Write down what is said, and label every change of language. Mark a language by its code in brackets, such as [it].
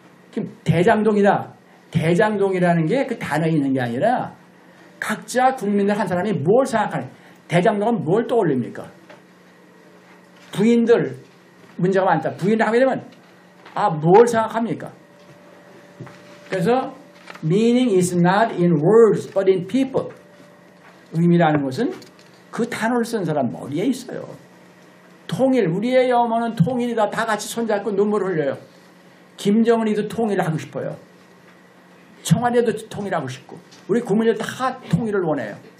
[ko] 지금 대장동이다. 대장동이라는 게 그 단어에 있는 게 아니라 각자 국민들 한 사람이 뭘 생각하는 대장동은 뭘 떠올립니까? 부인들 문제가 많다. 부인을 하게 되면 아, 뭘 생각합니까? 그래서 [en] meaning is not in words but in people. [ko] 의미라는 것은 그 단어를 쓴 사람 머리에 있어요. 통일, 우리의 어머는 통일이다. 다 같이 손잡고 눈물 흘려요. 김정은이도 통일을 하고 싶어요. 청와대도 통일하고 싶고 우리 국민들 다 통일을 원해요.